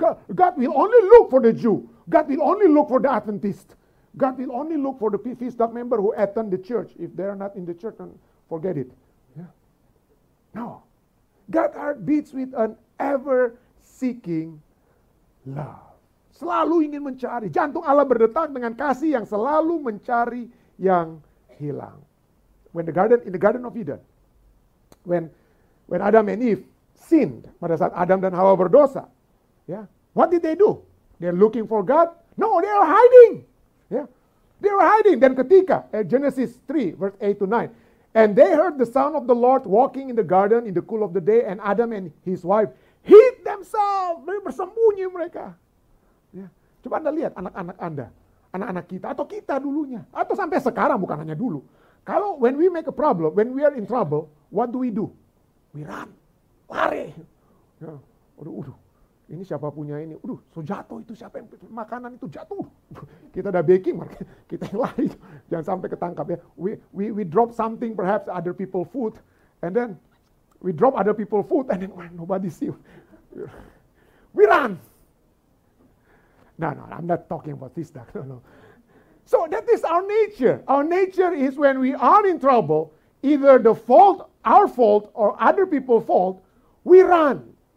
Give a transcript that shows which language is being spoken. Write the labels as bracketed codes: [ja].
[en] God will only look for the Jew. God will only look for the Adventist. God will only look for the PFISTAC member who attend the church. If they are not in the church, then forget it. Yeah. No. God's heart beats with an ever seeking love. [id] Selalu ingin mencari. Jantung Allah berdetak dengan kasih yang selalu mencari yang hilang. [en] When the garden, in the Garden of Eden, when Adam and Eve sinned, [id] pada saat Adam dan Hawa berdosa, [en] yeah, what did they do? They're looking for God? No, they are hiding. Yeah, they were hiding. [id] Dan ketika, [en] Genesis 3, verse 8 to 9, and they heard the sound of the Lord walking in the garden in the cool of the day, and Adam and his wife hid themselves. [id] Mereka bersembunyi mereka. Yeah. Coba Anda lihat anak-anak Anda, anak-anak kita, atau kita dulunya, atau sampai sekarang, bukan hanya dulu. [en] Kalau when we make a problem, when we are in trouble, what do? We run, lari. [id] Ya, aduh, ini siapa punya ini? Aduh, so jatuh itu siapa yang makanan itu jatuh? Kita ada baking, kita yang lari, jangan sampai ketangkap ya. [en] We drop something perhaps other people food, and then we drop other people food, and then well, nobody see. We run. No, I'm not talking about this. No. So that is our nature. Our nature is when we are in trouble, either the fault, our fault, or other people's fault, we run.